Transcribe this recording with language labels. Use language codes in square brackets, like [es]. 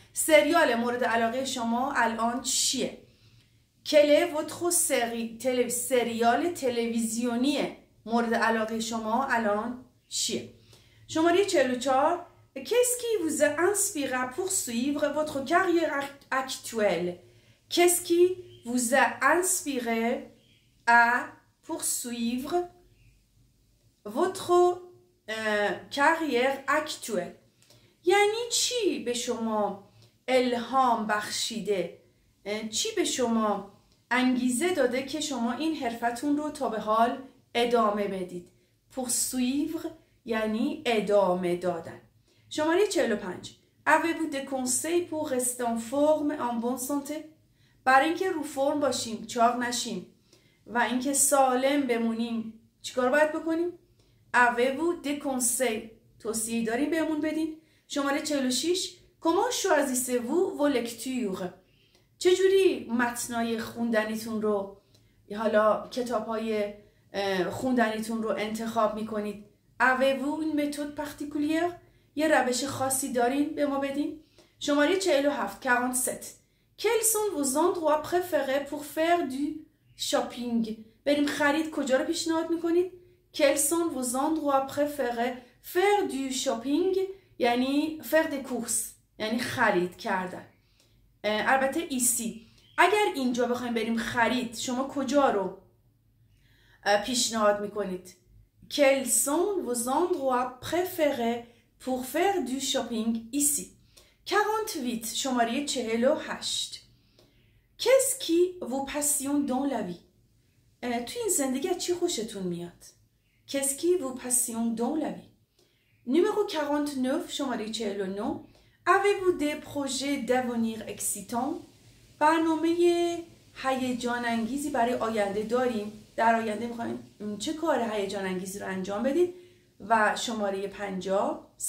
[fa] سریال مورد علاقه شما الان چیه؟ [fr] Quel est votre [fa] سریال تلویزیونی مورد علاقه شما الان چیه؟ شماره 44 [fr] Qu'est-ce qui vous a inspiré à poursuivre votre carrière actuelle? Qu'est-ce qui vous a inspiré à poursuivre votre carrière actuelle? [fa] یعنی چی به شما الهام بخشیده؟ چی به شما انگیزه داده که شما این حرفتون رو تا به حال ادامه بدید؟ پورسویور یعنی ادامه دادن. شماره 45. [fr] Avez-vous des conseils pour rester en forme en bonne santé؟ [fa] برای اینکه رو فرم باشیم، چاق نشیم و اینکه سالم بمونیم، چیکار باید بکنیم؟ [fr] Avez-vous des conseils؟ [fa] توصیه داریم بهمون بدین؟ شماره 46. [fr] Comment choisissez-vous vos lectures؟ [fa] چجوری متنای خوندنیتون رو، حالا کتابهای خوندنیتون رو انتخاب میکنید؟ [fr] Avez-vous une méthode particulière؟ [fa] یه روش خاصی دارین به ما بدین؟ شماره 47. 47. [fr] Quels sont vos endroits préférés pour faire du shopping؟ [fa] بریم خرید کجا رو پیشنهاد میکنید؟ [fr] Quels sont vos endroits préférés faire du shopping؟ یعنی faire des courses، [fa] یعنی خرید کردن. البته ایسی، اگر اینجا بخوایم بریم خرید، شما کجا رو پیشنهاد میکنید؟ [fr] Quels sont vos endroits préférés pour faire du shopping ici؟ [fa] 48. شماره 48. [fr] Qu'est-ce qui vous passionne dans la vie؟ [fa] تو این زندگی چی خوشتون میاد؟ [fr] Qu'est-ce qui vous passionne dans la vie؟ Numéro 49. [fa] شماره 49. [fr] Avez-vous des projets d'avenir excitants؟ [fa] برنامه هیجان انگیزی برای آینده داریم؟ در آینده میخواییم چه کار هیجان انگیزی رو انجام بدید؟ و شماره 50.